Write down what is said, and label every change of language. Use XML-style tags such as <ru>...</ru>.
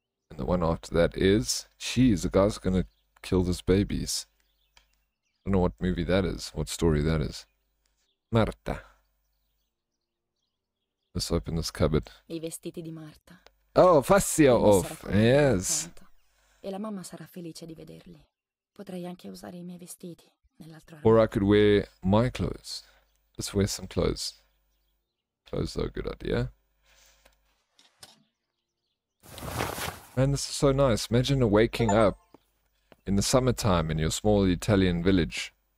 <en>And the one after that is... Jeez, the guy's gonna kill his babies. I don't know what movie that is. What story that is. Marta. Let's open this cupboard.</en> <it>I vestiti di Marta.</it> <en>Oh, fascia off. Yes.</en> <it>E la mamma sarà felice di vederli. Potrei anche usare I miei vestiti nell'altro.</it> <en>Or I could wear my clothes. Let's wear some clothes. Clothes are a good idea. Man, this is so nice. Imagine waking up in the summertime in your small Italian village.</en>